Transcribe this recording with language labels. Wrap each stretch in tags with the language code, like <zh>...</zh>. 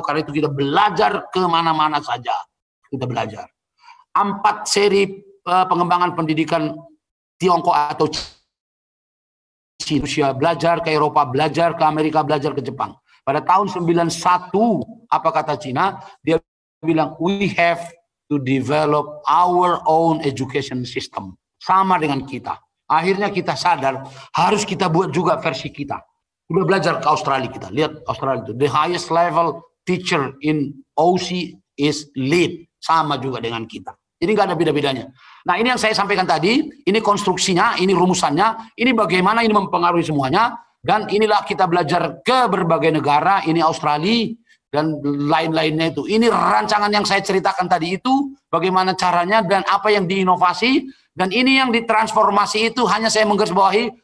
<id>Karena itu kita belajar kemana-mana saja. Kita belajar. 4 seri pengembangan pendidikan Tiongkok atau Rusia, belajar ke Eropa, belajar ke Amerika, belajar ke Jepang. Pada tahun 91, apa kata Cina? Dia bilang,</id> <en>we have to develop our own education system.</en> <id>Sama dengan kita. Akhirnya kita sadar, harus kita buat juga versi kita. Udah belajar ke Australia kita. Lihat Australia itu.</id> <en>The highest level teacher in OC is lead.</en> <id>Sama juga dengan kita. Ini nggak ada beda-bedanya. Nah, ini yang saya sampaikan tadi, ini konstruksinya, ini rumusannya, ini bagaimana ini mempengaruhi semuanya, dan inilah kita belajar ke berbagai negara, ini Australia, dan lain-lainnya itu. Ini rancangan yang saya ceritakan tadi itu, bagaimana caranya, dan apa yang diinovasi, dan ini yang ditransformasi itu, hanya saya menggarisbawahi,</id>